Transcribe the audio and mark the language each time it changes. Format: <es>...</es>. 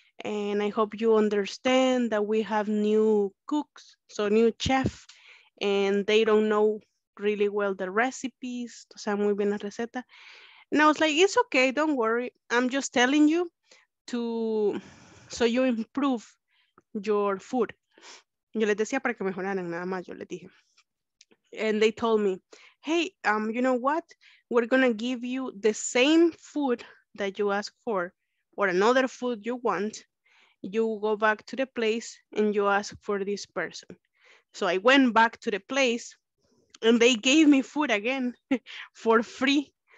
<en>And I hope you understand that we have new cooks, so new chef, and they don't know really well the recipes.</en> <es>O sea, muy bien la receta.</es> <en>And I was like, it's okay, don't worry. I'm just telling you so you improve your food.</en> <es>Yo les decía para que mejoraran, nada más yo les dije.</es> <en>And they told me, hey, you know what? We're gonna give you the same food that you ask for or another food you want. You go back to the place and you ask for this person. So I went back to the place and they gave me food again for free.</en>